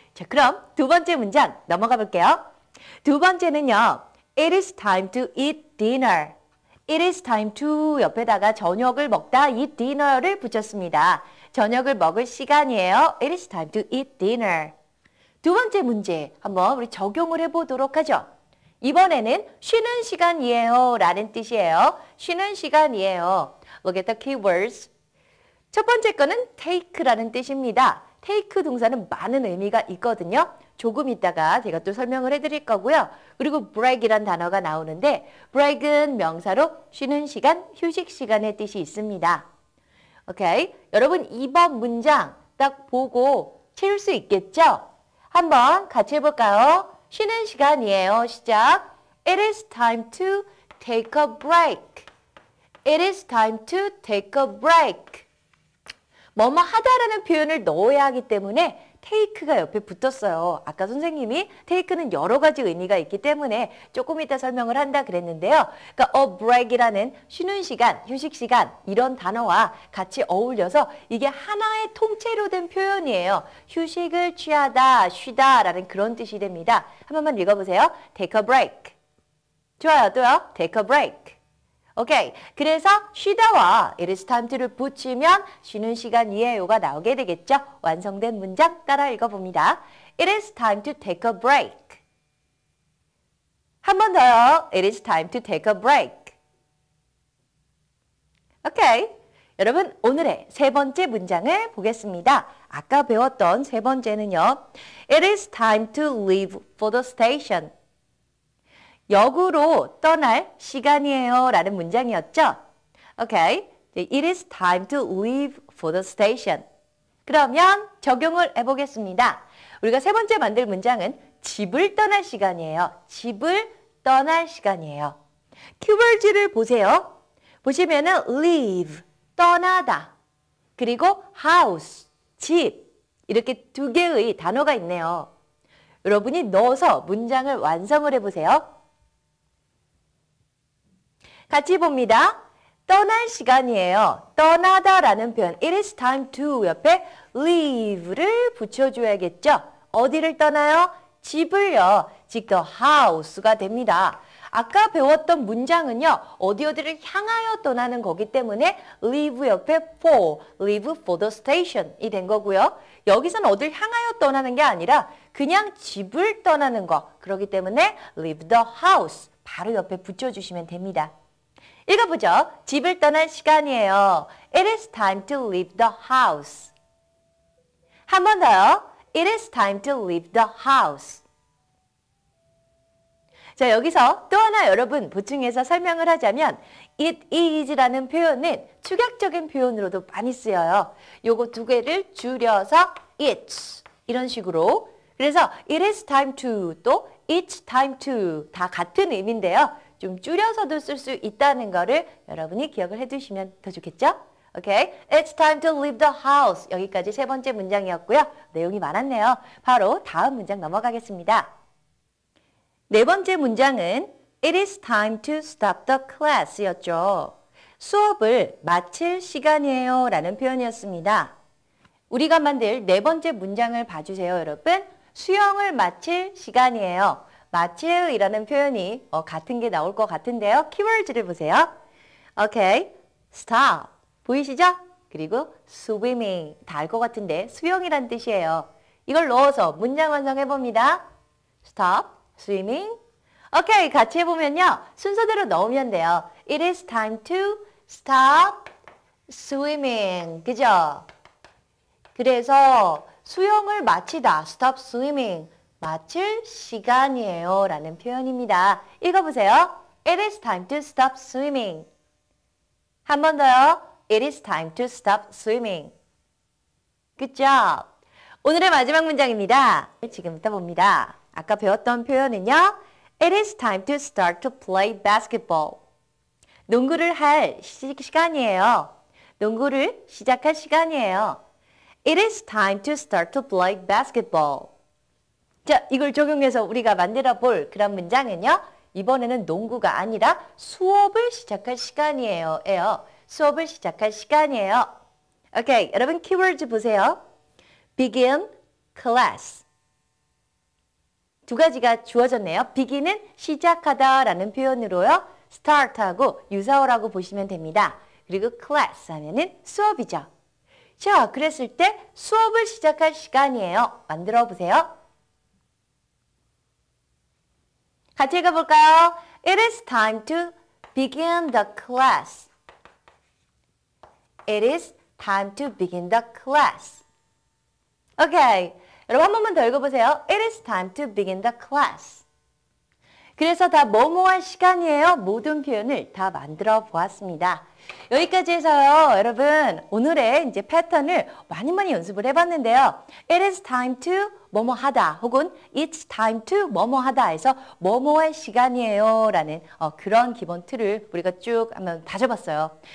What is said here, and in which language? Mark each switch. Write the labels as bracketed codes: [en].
[ko] 자, 그럼 두 번째 문장 넘어가 볼게요. 두 번째는요. [en] It is time to eat dinner. It is time to [ko] 옆에다가 저녁을 먹다 [en] eat dinner를 [ko] 붙였습니다. 저녁을 먹을 시간이에요. [en] It is time to eat dinner. [ko] 두 번째 문제 한번 우리 적용을 해보도록 하죠. 이번에는 쉬는 시간이에요 라는 뜻이에요. 쉬는 시간이에요. [en] Look at the keywords. [ko] 첫 번째 거는 take라는 뜻입니다. take 동사는 많은 의미가 있거든요. 조금 있다가 제가 또 설명을 해드릴 거고요. 그리고 break이란 단어가 나오는데 break은 명사로 쉬는 시간, 휴식 시간의 뜻이 있습니다. 오케이, 여러분 2번 문장 딱 보고 채울 수 있겠죠? 한번 같이 해볼까요? 쉬는 시간이에요. 시작. [en] It is time to take a break. It is time to take a break. [ko] 뭐뭐 하다라는 표현을 넣어야 하기 때문에 take가 옆에 붙었어요. 아까 선생님이 take는 여러 가지 의미가 있기 때문에 조금 이따 설명을 한다 그랬는데요. 그러니까 a break이라는 쉬는 시간, 휴식 시간 이런 단어와 같이 어울려서 이게 하나의 통째로 된 표현이에요. 휴식을 취하다, 쉬다라는 그런 뜻이 됩니다. 한 번만 읽어보세요. [en] Take a break. [ko] 좋아요. 또요. Take a break. 오케이. 그래서 쉬다와 [en] it is time to [ko] 를 붙이면 쉬는 시간이에요가 나오게 되겠죠. 완성된 문장 따라 읽어봅니다. [en] It is time to take a break. [ko] 한 번 더요. [en] It is time to take a break. [ko] 오케이. 여러분 오늘의 세 번째 문장을 보겠습니다. 아까 배웠던 세 번째는요. [en] It is time to leave for the station. [ko] 역으로 떠날 시간이에요 라는 문장이었죠? [en] Okay. It is time to leave for the station. [ko] 그러면 적용을 해보겠습니다. 우리가 세 번째 만들 문장은 집을 떠날 시간이에요. 집을 떠날 시간이에요. 키워드를 보세요. 보시면은 leave, 떠나다. 그리고 house, 집. 이렇게 두 개의 단어가 있네요. 여러분이 넣어서 문장을 완성을 해보세요. 같이 봅니다. 떠날 시간이에요. 떠나다 라는 표현. [en] It is time to [ko] 옆에 [en] leave를 [ko] 붙여줘야겠죠. 어디를 떠나요? 집을요. 지금 house가 됩니다. 아까 배웠던 문장은요. 어디 어디를 향하여 떠나는 거기 때문에 leave 옆에 for, [en] leave for the station [ko] 이 된 거고요. 여기서는 어디를 향하여 떠나는 게 아니라 그냥 집을 떠나는 거. 그렇기 때문에 [en] leave the house [ko] 바로 옆에 붙여주시면 됩니다. 읽어보죠. 집을 떠날 시간이에요. [en] It is time to leave the house. [ko] 한 번 더요. [en] It is time to leave the house. [ko] 자, 여기서 또 하나 여러분 보충해서 설명을 하자면 it is라는 표현은 축약적인 표현으로도 많이 쓰여요. 요거 두 개를 줄여서 it's 이런 식으로. 그래서 [en] it is time to [ko] 또 [en] it's time to [ko] 다 같은 의미인데요. 좀 줄여서도 쓸 수 있다는 거를 여러분이 기억을 해두시면 더 좋겠죠? [en] Okay, it's time to leave the house. [ko] 여기까지 세 번째 문장이었고요. 내용이 많았네요. 바로 다음 문장 넘어가겠습니다. 네 번째 문장은 [en] It is time to stop the class였죠. [ko] 수업을 마칠 시간이에요 라는 표현이었습니다. 우리가 만들 네 번째 문장을 봐주세요, 여러분. 수영을 마칠 시간이에요. 마칠이라는 표현이 같은 게 나올 것 같은데요. 키워드를 보세요. 오케이, stop 보이시죠? 그리고 swimming 다 알 것 같은데 수영이란 뜻이에요. 이걸 넣어서 문장 완성해 봅니다. [en] Stop swimming. [ko] 오케이, 같이 해보면요. 순서대로 넣으면 돼요. [en] It is time to stop swimming. [ko] 그죠? 그래서 수영을 마치다. [en] Stop swimming. [ko] 마칠 시간이에요 라는 표현입니다. 읽어보세요. [en] It is time to stop swimming. [ko] 한 번 더요. [en] It is time to stop swimming. Good job. [ko] 오늘의 마지막 문장입니다. 지금부터 봅니다. 아까 배웠던 표현은요. [en] It is time to start to play basketball. [ko] 농구를 할 시간이에요. 농구를 시작할 시간이에요. [en] It is time to start to play basketball. [ko] 자, 이걸 적용해서 우리가 만들어 볼 그런 문장은요. 이번에는 농구가 아니라 수업을 시작할 시간이에요. 에요. 수업을 시작할 시간이에요. Okay, 여러분 키워드 보세요. [en] Begin class. [ko] 두 가지가 주어졌네요. Begin은 시작하다라는 표현으로요. Start하고 유사어라고 보시면 됩니다. 그리고 class 하면은 수업이죠. 자, 그랬을 때 수업을 시작할 시간이에요. 만들어 보세요. 같이 읽어볼까요? [en] It is time to begin the class. It is time to begin the class. Okay. [ko] 여러분 한 번만 더 읽어보세요. [en] It is time to begin the class. [ko] 그래서 다 뭐뭐한 시간이에요. 모든 표현을 다 만들어 보았습니다. 여기까지 해서요. 여러분 오늘의 이제 패턴을 많이 많이 연습을 해봤는데요. [en] It is time to [ko] 뭐뭐하다 혹은 [en] It's time to [ko] 뭐뭐하다 해서 뭐뭐한 시간이에요 라는 그런 기본 틀을 우리가 쭉 한번 다져봤어요.